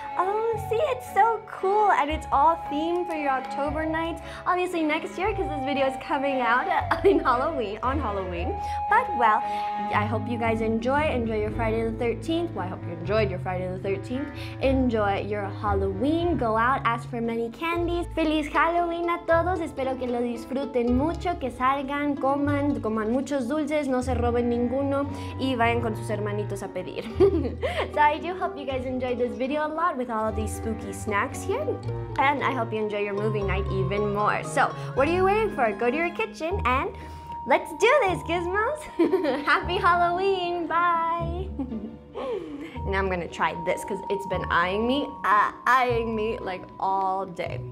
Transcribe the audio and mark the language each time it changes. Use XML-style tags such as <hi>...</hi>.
<en>Oh, see, it's so cool. And it's all themed for your October night. Obviously next year, because this video is coming out on Halloween. But well, I hope you guys enjoy. Enjoy your Friday the 13th. Well, I hope you enjoyed your Friday the 13th. Enjoy your Halloween. Go out, ask for many candies.</en> <es>Feliz Halloween a todos, espero que lo disfruten mucho, que salgan, coman muchos dulces, no se roben ninguno, y vayan con sus hermanitos a pedir.</es> <en>So I do hope you guys enjoyed this video a lot with all of these spooky snacks here, and I hope you enjoy your movie night even more. So, what are you waiting for? Go to your kitchen and let's do this, Gizmos! Happy Halloween, bye! Now I'm gonna try this because it's been eyeing me like all day.</en>